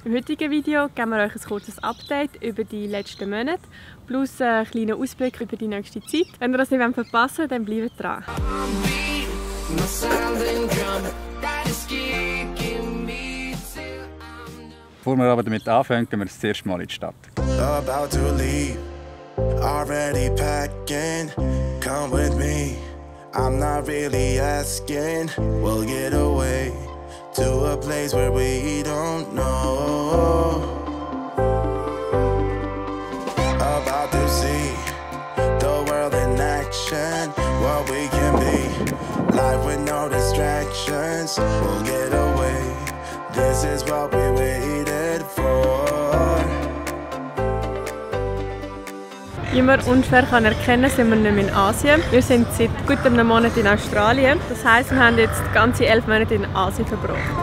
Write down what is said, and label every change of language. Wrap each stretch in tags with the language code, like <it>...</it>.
<de>Im heutigen Video geben wir euch ein kurzes Update über die letzten Monate plus einen kleinen Ausblick über die nächste Zeit. Wenn ihr das nicht verpassen wollt, dann bleibt dran. Bevor wir aber damit anfangen, gehen wir das erste Mal in die Stadt.</de> <en>About to leave. Already packing, come with me. I'm not really asking. We'll get away to a place where we don't know. About to see the world in action. What we can be, life with no distractions. We'll get away. This is what we waited for.</en> <de>Wie man unfair erkennen kann, sind wir nicht mehr in Asien. Wir sind seit gut einem Monat in Australien. Das heisst, wir haben jetzt die ganze 11 Monate in Asien verbracht.</de>